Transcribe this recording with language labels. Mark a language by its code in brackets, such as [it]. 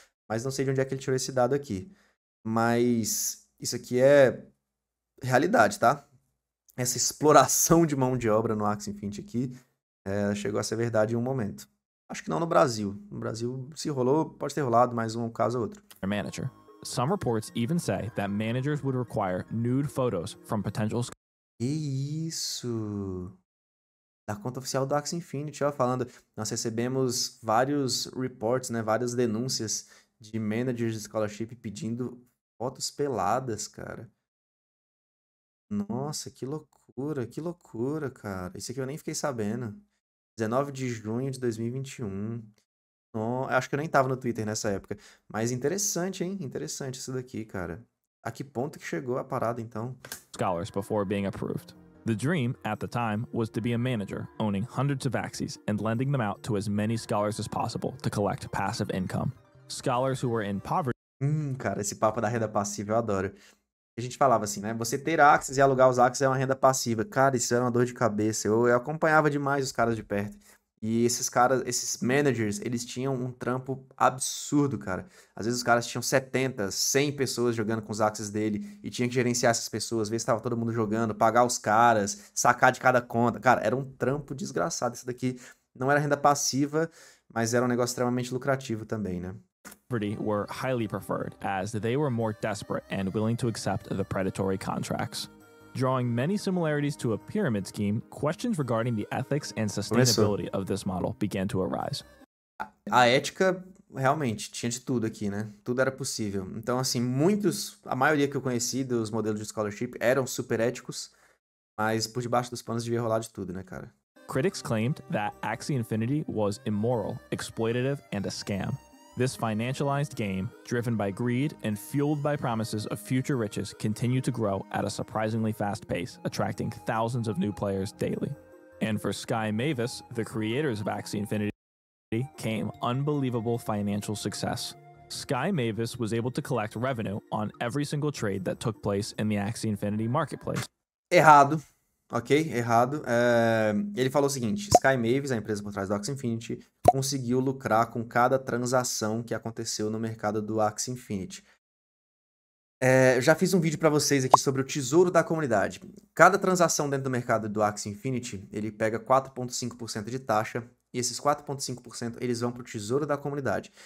[pt] Mas não sei de onde é que ele tirou esse dado aqui. Mas isso aqui é realidade, tá? Essa exploração de mão de obra no Axie Infinity aqui chegou a ser verdade em um momento. Acho que não no Brasil. No Brasil, se rolou, pode ter rolado, mas um caso ou outro. [en] Manager. Some reports even say that managers would require nude photos from potential... [pt] Que isso? Da conta oficial do Axie Infinity, ó, falando. Nós recebemos vários reports, né? Várias denúncias de managers de scholarship pedindo fotos peladas, cara. Nossa, que loucura, cara. Isso aqui eu nem fiquei sabendo. 19 de junho de 2021. Acho que eu nem tava no Twitter nessa época. Mas interessante, hein? Interessante isso daqui, cara. A que ponto que chegou a parada, então? [en] Scholars before being approved. The dream, at the time, was to be a manager, owning hundreds of axes and lending them out to as many scholars as possible to collect passive income. Scholars who were in poverty... [pt] Cara, esse papo da renda passiva eu adoro. A gente falava assim, né? Você ter axes e alugar os axes é uma renda passiva. Cara, isso era uma dor de cabeça. Eu acompanhava demais os caras de perto. E esses caras, esses managers, eles tinham um trampo absurdo, cara. Às vezes os caras tinham 70, 100 pessoas jogando com os axes dele e tinha que gerenciar essas pessoas, ver se tava todo mundo jogando, pagar os caras, sacar de cada conta. Cara, era um trampo desgraçado. Isso daqui não era renda passiva, mas era um negócio extremamente lucrativo também, né? [en] Were highly preferred, as they were more desperate and willing to accept the predatory contracts. Drawing many similarities to a pyramid scheme, questions regarding the ethics and sustainability of this model began to arise. [pt] A ética, realmente, tinha de tudo aqui, né? Tudo era possível. Então, assim, a maioria que eu conheci dos modelos de scholarship eram super éticos, mas por debaixo dos panos devia rolar de tudo, né, cara? [en] Critics claimed that Axie Infinity was immoral, exploitative, and a scam. This financialized game, driven by greed and fueled by promises of future riches, continued to grow at a surprisingly fast pace, attracting thousands of new players daily. And for Sky Mavis, the creators of Axie Infinity, came unbelievable financial success. Sky Mavis was able to collect revenue on every single trade that took place in the Axie Infinity marketplace. [pt] Errado. Ok, errado. Ele falou o seguinte, Sky Mavis, a empresa por trás do Axie Infinity, conseguiu lucrar com cada transação que aconteceu no mercado do Axie Infinity. Já fiz um vídeo para vocês aqui sobre o tesouro da comunidade. Cada transação dentro do mercado do Axie Infinity, ele pega 4,5% de taxa, e esses 4,5% eles vão para o tesouro da comunidade.